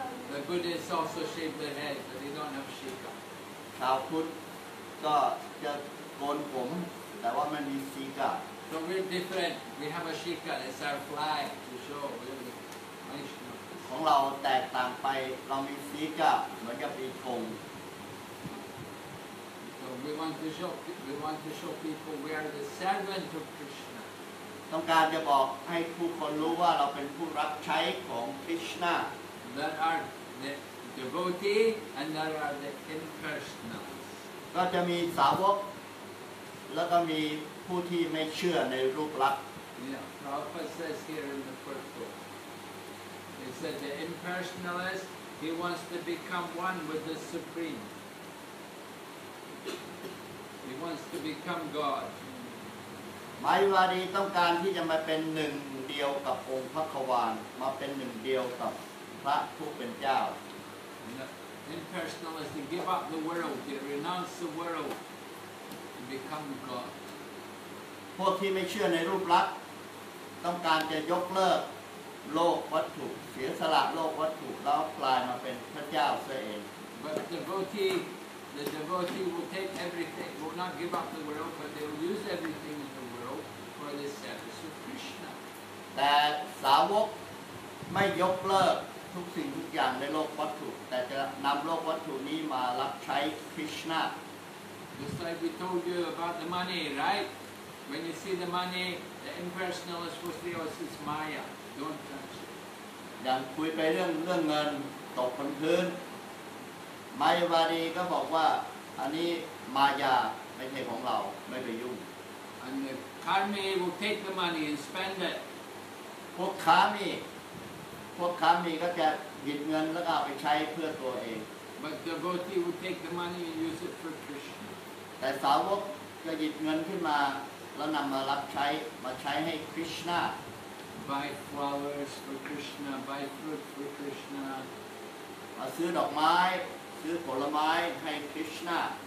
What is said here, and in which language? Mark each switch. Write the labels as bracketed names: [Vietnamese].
[English] The Buddhists also shave their head but they don't have shika [Thai] ชาวพุทธก็จะโกนผมแต่ว่าไม่มีสีกา [English] So we're different we have a shika it's our flag to show we're Vaishnava [Thai] ของเราแตกต่างไปเรามีสีกาเหมือนกับมีธง [English] So we want to show people we are the servant of Krishna. [Thai] ต้องการจะบอกให้ผู้คนรู้ว่าเราเป็นผู้รับใช้ของ Krishna. [English] That are the devotee and that are the impersonals. [Thai] ก็จะมีสาวกแล้วก็มีผู้ที่ไม่เชื่อในรูปลักษ [English] ณ์ Yeah, Prabhupada says here in the first book. He said the impersonalist, he wants to become one with the supreme. He wants to become God. [Thai] Mayavadi ต้องการที่จะมาเป็นหนึ่งเดียวกับองค์พระควานมาเป็นหนึ่งเดียวกับพระผู้เป็นเจ้า [English] Impersonalist to give up the world, to renounce the world, to become God. [Thai] พวกที่ไม่เชื่อในรูปลักษณ์ต้องการจะยกเลิกโลกวัตถุเสียสละโลกวัตถุแล้วกลายมาเป็นพระเจ้าซะเอง [English] But the devotee. The devotee will take everything, will not give up the world, but they will use everything in the world for the service of Krishna. That [Thai] สาวกไม่ยกเลิกทุกสิ่งทุกอย่างในโลกวัตถุแต่จะนำโลกวัตถุนี้มารับใช้ Krishna. [English] Just like we told you about the money, right? When you see the money, the impersonalist will say, "Oh, it's Maya. Don't touch it." [Thai] ยังคุยไปเรื่องเงินตกบนพื้นมายาวาดีก็บอกว่าอันนี้มายาไม่ใช่ของเราไม่ไปยุ่ง [English] And the karmi will take the money and spend it [Thai] พวกคามีก็จะหยิบเงินแล้วก็เอาไปใช้เพื่อตัวเอง [English] But the devotee will take the money and use it for Krishna [Thai] แต่สาวกก็หยิบเงินขึ้นมาแล้วนำมารับใช้มาใช้ให้ Krishna [English] Buy flowers for Krishna buy fruit for Krishna [Thai] มาซื้อดอกไม้ซื้อผลไม้ให้คริชนา